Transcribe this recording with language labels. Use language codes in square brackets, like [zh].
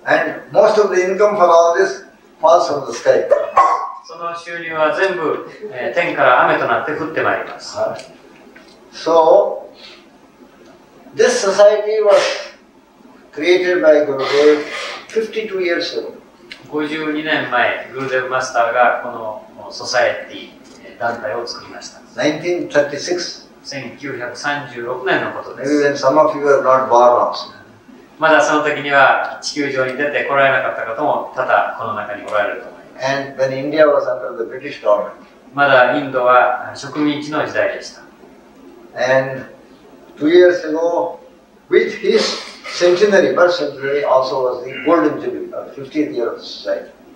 [en] And most of the income for all this falls from the sky. [ja] その収入は全部天から雨となって降ってまいります。 [en] So, this society was created by Gurudev 52 years ago. [ja] 52年前、Gurudev Master がこのソサエティ団体を作りました。 1936 年のことです。 [en] Maybe when some of you were not born also. [ja] まだその時には地球上に出て来られなかった方も多々この中におられると思います。 [en] And when India was under the British government. [ja] まだインドは植民地の時代でした。 [en] And 2 years ago, with his centenary, birth centenary, also was the golden jubilee, 50th year of society.